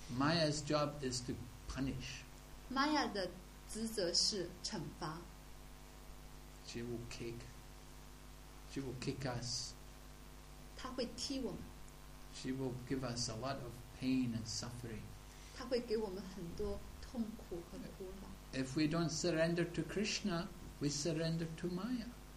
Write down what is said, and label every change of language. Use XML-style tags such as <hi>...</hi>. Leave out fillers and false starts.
<en>Maya's job is to punish.</en> <zh>Maya 的职责是惩罚。</zh> <en>She will kick us.</en> <zh>他会踢我们。</zh> <en>She will give us a lot of pain and suffering.</en> <zh>她会给我们很多痛苦和苦恼。</zh> <en>If we don't surrender to Krishna, we surrender to Maya.</en>